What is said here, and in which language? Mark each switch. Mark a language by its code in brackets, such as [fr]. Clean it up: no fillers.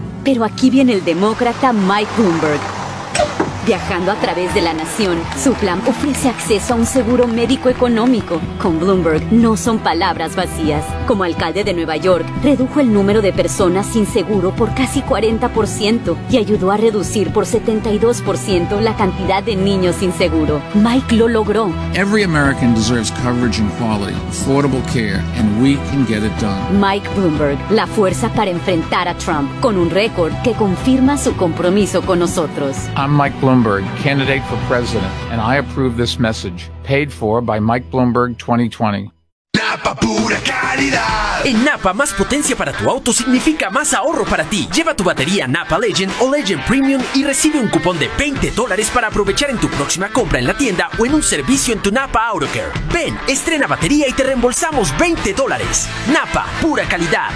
[es] Pero aquí viene el demócrata Mike Bloomberg. Viajando a través de la nación, su plan ofrece acceso a un seguro médico económico. Con Bloomberg no son palabras vacías. Como alcalde de Nueva York, redujo el número de personas sin seguro por casi 40% y ayudó a reducir por 72% la cantidad de niños sin seguro. Mike lo logró. [en] Every American deserves coverage and quality, affordable care, and we can get it done. [es] Mike Bloomberg, la fuerza para enfrentar a Trump, con un récord que confirma su compromiso con nosotros. [en] I'm Mike Bloomberg, candidate for president, and I approve this message, paid for by Mike Bloomberg 2020. [es] Napa, pura calidad. En Napa, más potencia para tu auto significa más ahorro para ti. Lleva tu batería Napa Legend o Legend Premium y recibe un cupón de $20 para aprovechar en tu próxima compra en la tienda o en un servicio en tu Napa AutoCare. Ven, estrena batería y te reembolsamos $20. Napa, pura calidad.